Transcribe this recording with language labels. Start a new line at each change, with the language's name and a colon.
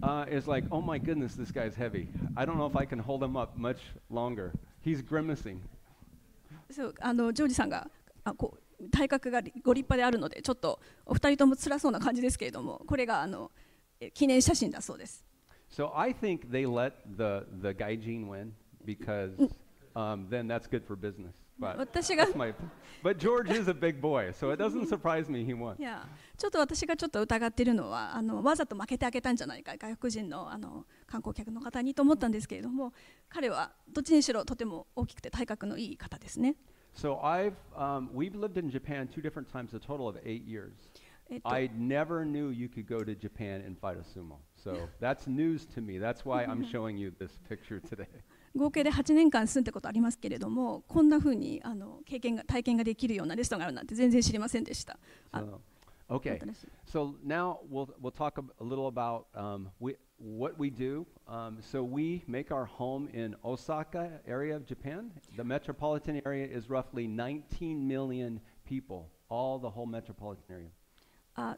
English: Is like, oh my goodness, this guy's heavy. I don't know if I can hold him up much longer. He's grimacing.
Japanese: So, ジョージさんが、体格がご立派であるので、ちょっとお二人とも辛そうな感じですけれども、これが記念写真だそうです。
English: So I think they let the gaijin win because then that's good for business. But, but George is a big boy, so it doesn't surprise me he won. Yeah.
Japanese: ちょっと私がちょっと疑っているのはわざと負けてあげたんじゃないか外国人の観光客の方にと思ったんですけれども彼はどっちにしろとても大きくて体格のいい方ですね。
English: So I've, we've lived in Japan two different times, a total of 8 years. I never knew you could go to Japan and fight a sumo. So that's news to me. That's why I'm showing you this picture today.
Japanese: 合計で8年間住んでことありますけれどもこんなふうに経験が体験ができるようなレストランがあるなんて全然知りませんでした。
English: Okay, so now we'll talk a little about what we do. So we make our home in Osaka area of Japan. The metropolitan area is roughly 19 million people, all the whole metropolitan area.